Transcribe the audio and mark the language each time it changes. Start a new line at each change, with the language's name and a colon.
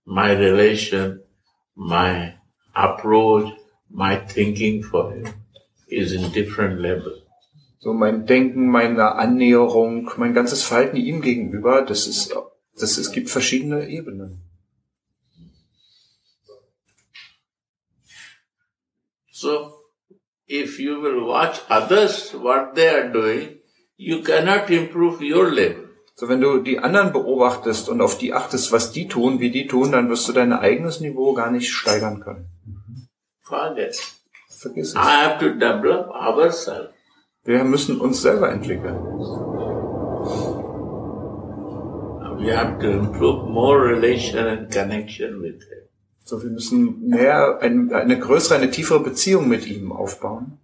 English: My relation, my approach, my thinking for him is in different level.
German: So mein Denken, meine Annäherung, mein ganzes Verhalten ihm gegenüber, es gibt verschiedene Ebenen.
English: So, if you will watch others, what they are doing, you cannot improve your level.
German: So, wenn du die anderen beobachtest und auf die achtest, was die tun, wie die tun, dann wirst du dein eigenes Niveau gar nicht steigern können.
English: Forget.
German: Vergiss es.
English: I have to develop ourselves.
German: Wir müssen uns selber entwickeln.
English: We have to improve more relation and connection with him.
German: So, wir müssen mehr, eine größere, eine tiefere Beziehung mit ihm aufbauen.